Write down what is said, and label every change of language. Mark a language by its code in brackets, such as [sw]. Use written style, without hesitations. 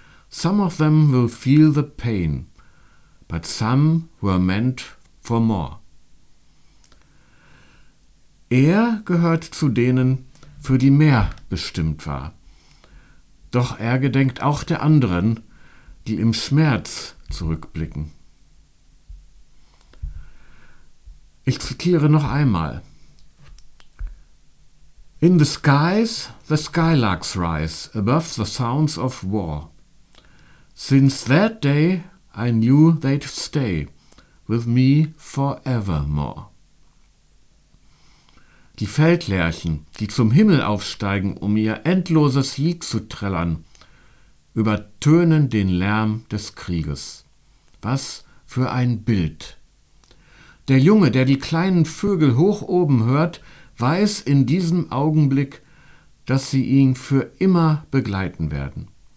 [en] Some of them will feel the pain, but some were meant for more." [de] Er gehört zu denen, für die mehr bestimmt war. Doch er gedenkt auch der anderen, die im Schmerz zurückblicken. Ich zitiere noch einmal. [en] In the skies, the skylarks rise above the sounds of war. Since that day, I knew they'd stay with me forevermore. [de] Die Feldlerchen, die zum Himmel aufsteigen, um ihr endloses Lied zu trällern, übertönen den Lärm des Krieges. Was für ein Bild! Der Junge, der die kleinen Vögel hoch oben hört, weiß in diesem Augenblick, dass sie ihn für immer begleiten werden.